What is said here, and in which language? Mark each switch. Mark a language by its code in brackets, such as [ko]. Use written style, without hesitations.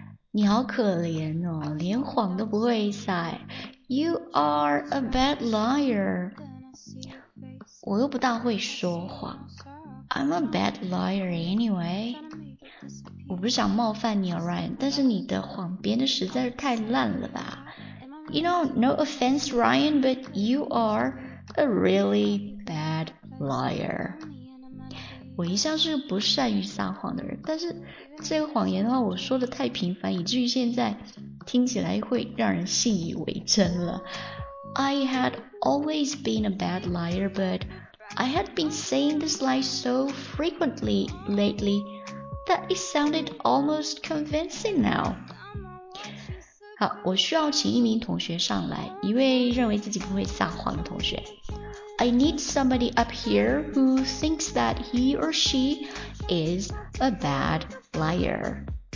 [zh] 你好可怜哦，连谎都不会撒。 [en] You are a bad liar。 [zh] 我又不大会说谎。 [en] I'm a bad liar anyway。 [zh] 我不想冒犯你 Ryan， 但是你的谎编的实在是太烂了吧。 [en] You know, no offense Ryan, but you are a really bad liar。 [zh] 我一向是不善于撒谎的人，但是这个谎言的话我说的太频繁，以至于现在听起来会让人信以为真了。 [en] I had always been a bad liar, but I had been saying this lie so frequently lately that it sounded almost convincing now。 [zh] 好，我需要请一名同学上来，一位认为自己不会撒谎的同学。 [en] I need somebody up here who thinks that he or she is a bad liar。